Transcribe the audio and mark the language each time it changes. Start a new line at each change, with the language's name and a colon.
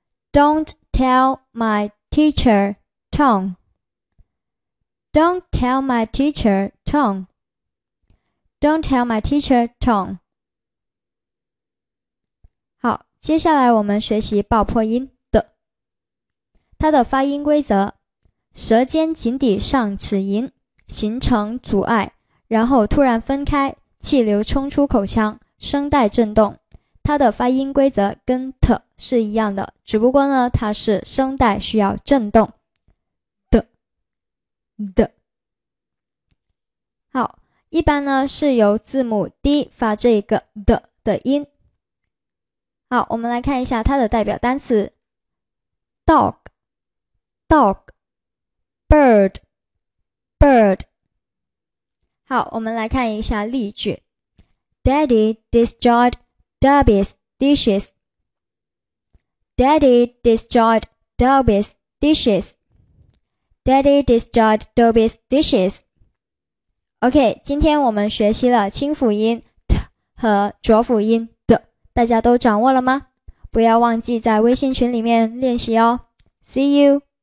English: Don't tell my teacher Tom. Don't tell my teacher Tom. Don't tell my teacher Tom.
Chinese: 好，接下来我们学习爆破音的。它的发音规则：舌尖紧抵上齿龈，形成阻碍，然后突然分开。气流冲出口腔，声带振动，它的发音规则跟 t 是一样的，只不过呢，它是声带需要振动的的。好，一般呢是由字母 d 发这个的的音。好，我们来看一下它的代表单词 ：dog，dog，bird，bird。好，我们来看一下例句。
English: Daddy destroyed Darby's dishes. Daddy destroyed Darby's dishes. Daddy destroyed Darby's dishes.
Chinese: OK， 今天我们学习了清辅音 t 和浊辅音 d， 大家都掌握了吗？不要忘记在微信群里面练习哦。
English: See you.